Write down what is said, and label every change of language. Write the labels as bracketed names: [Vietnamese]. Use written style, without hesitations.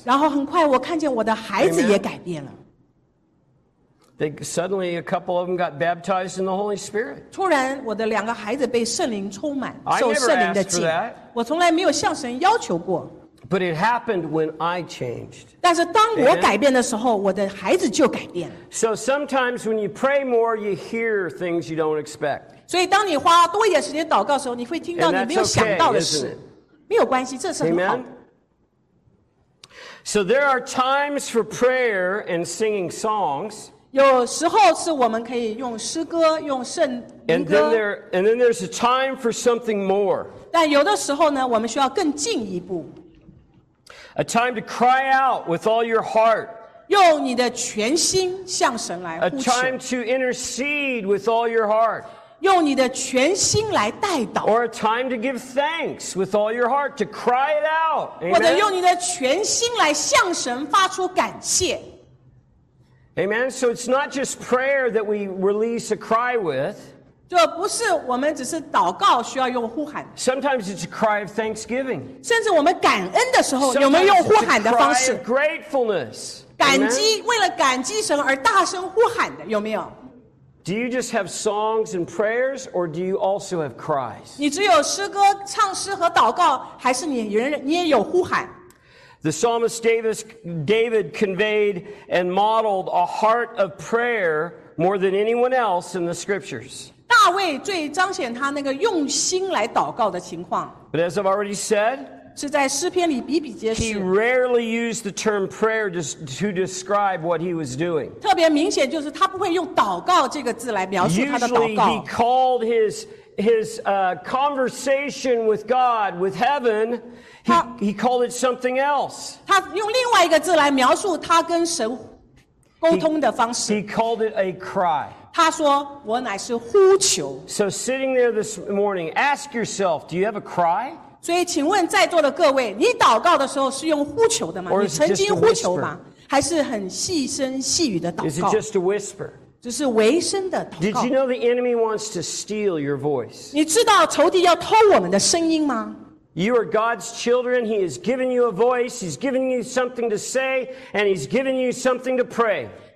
[Chinese] 然后很快我看见我的孩子也改变了。 [English] They, suddenly, a couple of them got baptized in the Holy Spirit. [Chinese] 突然，我的两个孩子被圣灵充满，受圣灵的浸。 [English] I never asked for that. [Chinese] 我从来没有向神要求过。 [English] But it happened when I changed. [Chinese] 但是当我改变的时候, 我的孩子就改变了。 [English] So sometimes when you pray more, you hear things you don't expect. [Chinese] 所以当你花多一点时间祷告的时候, 你会听到你没有想到的事。 [English] And that's okay, isn't it? [Chinese] 没有关系, 这是很好。 [English] Amen? So there are times for prayer and singing songs. [Chinese] 有时候是我们可以用诗歌, 用圣歌。 [English] And then there's a time for something more. [Chinese] 但有的时候呢, 我们需要更进一步。 [English] A time to cry out with all your heart. [Chinese] 用你的全心向神来呼求。 [English] A time to intercede with all your heart. [Chinese] 用你的全心来代祷。 [English] Or a time to give thanks with all your heart, to cry it out. Amen? [Chinese] 或者用你的全心来向神发出感谢。 [English] Amen? So it's not just prayer that we release a cry with. [Chinese] 这不是我们只是祷告需要用呼喊。 [English] Sometimes it's a cry of thanksgiving. [Chinese] 甚至我们感恩的时候, [English] Sometimes it's a cry of gratefulness. [Chinese] 感激, 为了感激神而大声呼喊的, 有没有? [English] Do you just have songs and prayers, or do you also have cries? [Chinese] 你只有诗歌, 唱诗和祷告, 还是你也有呼喊? [English] The psalmist David conveyed and modeled a heart of prayer more than anyone else in the scriptures. [Chinese] 大卫最彰显他那个用心来祷告的情况。 [English] But as I've already said, [Chinese] 是在诗篇里比比皆是。 [English] He rarely used the term prayer to describe what he was doing. [Chinese] 特别明显就是他不会用祷告这个字来描述他的祷告。 [English] Usually he called his conversation with God, with heaven, he called it something else. [Chinese] 他用另外一个字来描述他跟神沟通的方式。 [English] He called it a cry. [Chinese] 他说我乃是呼求。 [English] So sitting there this morning, ask yourself, do you have a cry? [Chinese] 所以请问在座的各位, 你祷告的时候是用呼求的吗? 你曾经呼求吗?还是很细声细语的祷告? [English] Is it just a whisper? [Chinese] 只是微声的祷告? [English] Did you know the enemy wants to steal your voice? [Chinese] 你知道仇敌要偷我们的声音吗? [English] You are God's children. He has given you a voice. He's given you something to say, and he's given you something to pray.